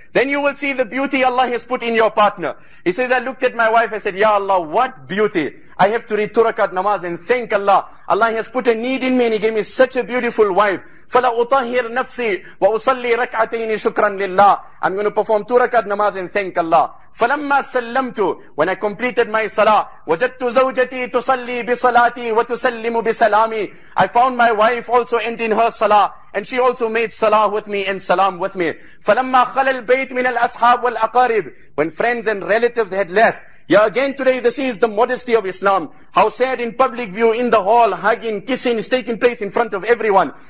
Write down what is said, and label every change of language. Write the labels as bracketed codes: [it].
[en] Then you will see the beauty Allah has put in your partner. He says, I looked at my wife, I said, Ya Allah, what beauty. I have to read turakat namaz and thank Allah. Allah has put a need in me and He gave me such a beautiful wife. [ar] فَلَا أُطَهِّرْ نَفْسِي وَأُصَلِّي رَكْعَتَيْنِ شُكْرًا لِلَّهِ. [en] I'm going to perform turakat namaz and thank Allah. [ar] فَلَمَّا سَلَّمْتُ. [en] When I completed my salah, [ar] وَجَدْتُ زَوْجَتِي تُصَلِّي بِصَلَاتِي وَتُسَلِّمُ بِسَلَامِي. [en] I found my wife also ending her salah, and she also made salah with me and salam with me. [ar] فَلَمَّا خَلَى الْبَيْتُ مِنَ الْأَصْحَابِ وَالْأَقَارِبِ. [en] When friends and relatives had left. Yeah, again today, this is the modesty of Islam. How sad in public view, in the hall, hugging, kissing is taking place in front of everyone.